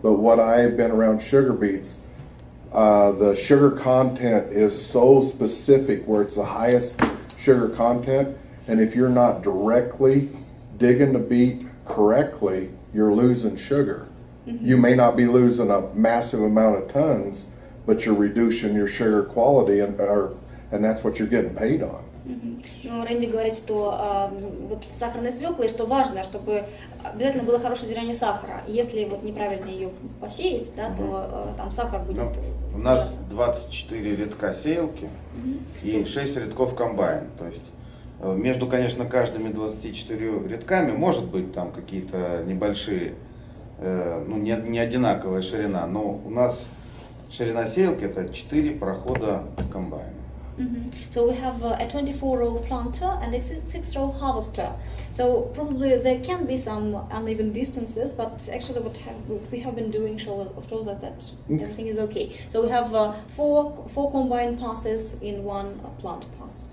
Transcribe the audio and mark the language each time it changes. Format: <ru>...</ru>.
<en>But what I've been around sugar beets, the sugar content is so specific where it's the highest sugar content, and if you're not directly digging the beet correctly, you're losing sugar. Mm-hmm. You may not be losing a massive amount of tons, but you're reducing your sugar quality, and that's what you're getting paid on.</en> <ru>Ну, Рэнди говорит, что вот сахарная свекла, и что важно, чтобы обязательно было хорошее зерение сахара. Если вот неправильно ее посеять, да, то там сахар будет. Ну, у нас 24 рядка сеялки и 6 рядков комбайн. То есть между, конечно, каждыми 24 рядками может быть там какие-то небольшие, ну, не одинаковая ширина, но у нас ширина сеялки — это 4 прохода комбайна. Mm-hmm.</ru> <en>So we have a 24-row planter and a 6-row harvester. So probably there can be some uneven distances, but actually what we have been doing shows us that everything is okay. So we have four combined passes in one plant pass.</en>